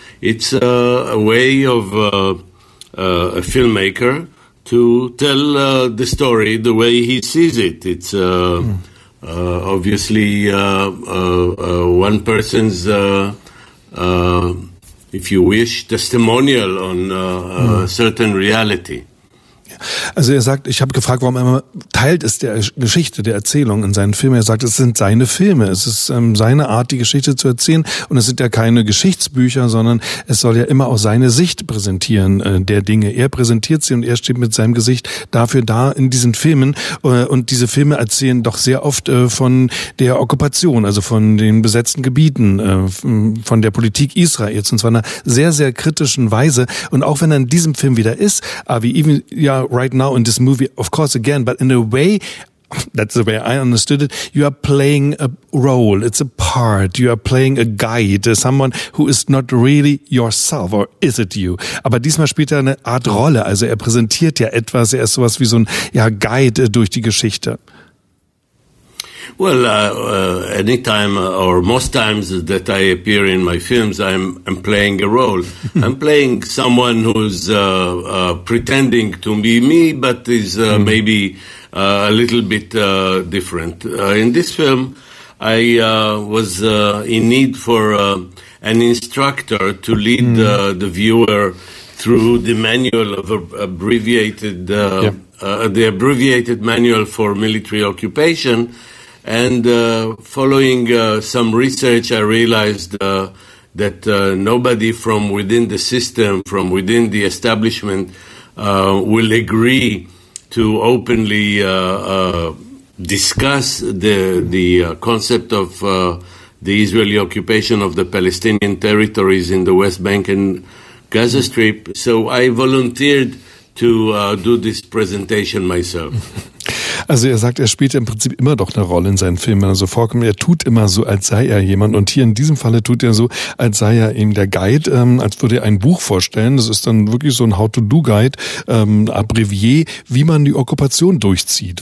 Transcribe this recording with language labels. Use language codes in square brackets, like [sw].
[en] It's a way of a filmmaker to tell the story the way he sees it. It's obviously one person's, if you wish, testimonial on a certain reality. [de] Also er sagt, ich habe gefragt, warum er immer teilt es der Geschichte, der Erzählung in seinen Filmen. Er sagt, es sind seine Filme, es ist seine Art, die Geschichte zu erzählen, und es sind ja keine Geschichtsbücher, sondern es soll ja immer auch seine Sicht präsentieren der Dinge. Er präsentiert sie und er steht mit seinem Gesicht dafür da in diesen Filmen, und diese Filme erzählen doch sehr oft von der Okkupation, also von den besetzten Gebieten, von der Politik Israels, und zwar in einer sehr, sehr kritischen Weise. Und auch wenn er in diesem Film wieder ist, [en] Avi, even, ja, right now in this movie, of course, again, but in a way, that's the way I understood it, you are playing a role, it's a part, you are playing a guide, someone who is not really yourself, or is it you? [de] Aber diesmal spielt er eine Art Rolle, also er präsentiert ja etwas, er ist sowas wie so ein, ja, Guide durch die Geschichte. [en] Well, anytime or most times that I appear in my films, I'm playing a role. I'm playing someone who's pretending to be me, but is maybe a little bit different. In this film, I was in need for an instructor to lead the viewer through the manual of abbreviated the abbreviated manual for military occupation. And following some research, I realized that nobody from within the system, from within the establishment, will agree to openly discuss the concept of the Israeli occupation of the Palestinian territories in the West Bank and Gaza Strip. So I volunteered to do this presentation myself. [de] Also er sagt, er spielt im Prinzip immer doch eine Rolle in seinen Filmen, wenn er so vorkommt. Er tut immer so, als sei er jemand. Und hier in diesem Falle tut er so, als sei er eben der Guide, als würde er ein Buch vorstellen. Das ist dann wirklich so ein How-to-Do-Guide, Abbrevier, wie man die Okkupation durchzieht.